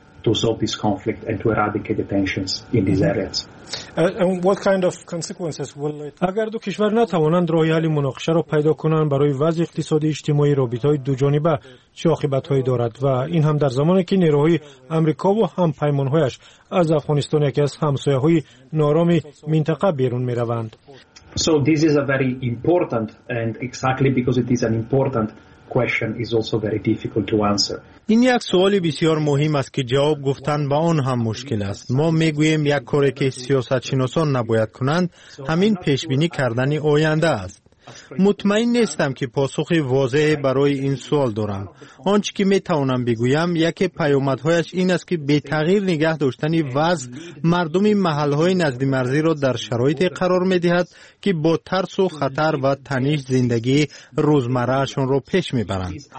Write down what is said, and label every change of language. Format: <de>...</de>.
<en>To solve this conflict and to eradicate the tensions in these areas. And what kind of consequences will it?</en> <fa>اگر دو کشور نتوانند راه حل مناقشه را پیدا کنند، برای وضع اقتصادی اجتماعی رابطه های دو جانبه چه عاقبت هایی دارد؟ و این هم در زمانی که نیروهای آمریکا و هم پیمان هایش از افغانستان، یکی از همسایه های نارام منطقه، بیرون می روند.</fa> <en>So this is a very important, and exactly because it is an important question is also very difficult to answer.</en> <fa>این یک سوال بسیار مهم است که جواب گفتن به آن هم مشکل است. ما میگوییم یک کاری که سیاست‌شناسان نباید کنند همین پیشبینی کردن آینده است. مطمئن نیستم که پاسخی واضح برای این سوال دارم. آنچه که می توانم بگویم، یکی پیامدهایش این است که به تغییر نگه داشتن وضع مردم محل های نزد مرزی را در شرایط قرار می دهد که با ترس و خطر و تنش زندگی روزمرهشون را پیش می برند.</fa>